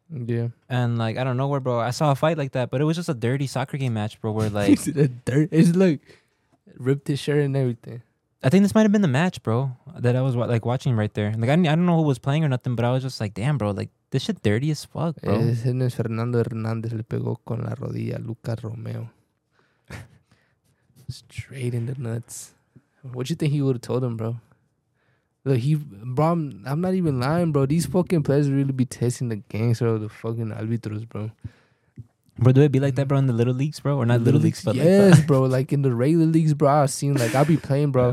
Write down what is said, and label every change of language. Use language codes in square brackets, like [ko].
[en] Yeah. And like I don't know where, bro. I saw a fight like that, but it was just a dirty soccer game match, bro. Where like it's like ripped his shirt and everything. I think this might have been the match, bro, that I was like watching right there. Like I don't know who was playing or nothing, but I was just like, damn, bro, like this shit dirty as fuck, bro. [es] Ese no es Fernando Hernández, le pegó con la rodilla Lucas Romeo. [en] Straight in the nuts. What you think he would have told him, bro? Look, he, bro, I'm not even lying, bro. These fucking players really be testing the gangster of the fucking árbitros, bro. Bro, do it be like that, bro, in the little leagues, bro? Or not little leagues, but yes, like yes, bro. Like in the regular leagues, bro. I've seen, like, I'll be playing, bro.